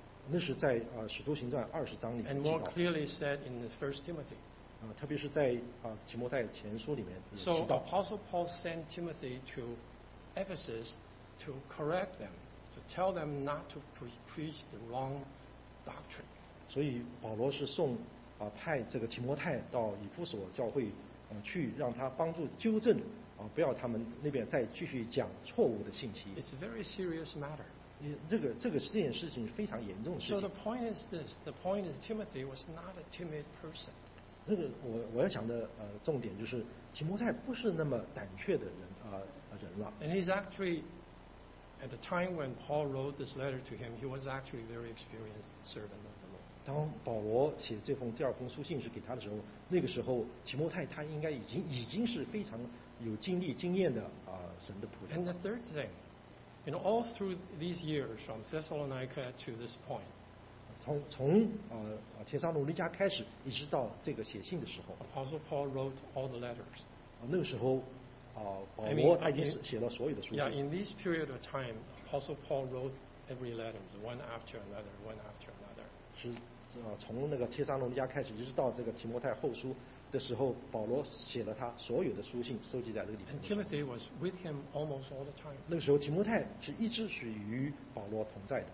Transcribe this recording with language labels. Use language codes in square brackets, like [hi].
[zh] 那是在使徒行传二十章里面。 [en] And more clearly said in the First Timothy. [zh] 特别是在提摩太前书里面也提到。 [en] So Apostle Paul sent Timothy to Ephesus to correct them, to tell them not to preach the wrong doctrine. [zh] 所以保罗是送。派这个提摩太到以弗所教会去让他帮助纠正不要他们那边再继续讲错误的信息。 [en] It's a very serious matter. [zh] 这个这件事情是非常严重的事情。 [en] So the point is this, the point is Timothy was not a timid person. [zh] 这个我要讲的重点就是提摩太不是那么胆怯的人了。 [en] And he's actually, at the time when Paul wrote this letter to him, he was actually a very experienced servant of the Lord. [zh] 当保罗写这封第二封书信是给他的时候，那个时候提摩太他应该已经是非常有经历经验的神的仆人。 [en] And the third thing, you know, all through these years from Thessalonica to this point, [zh] 从帖撒罗尼迦开始一直到这个写信的时候 [en] ，Apostle Paul wrote all the letters. [zh] 那个时候保罗他已经写了所有的书信。 [en] Yeah, in this period of time, Apostle Paul wrote every letter, one after another, one after another. [zh] 是从那个帖撒罗尼迦开始，一直到这个提摩太后书的时候，保罗写了他所有的书信，收集在这个里面。 [en] And Timothy was with him almost all the time. [zh] 那个时候，提摩太是一直是与保罗同在的。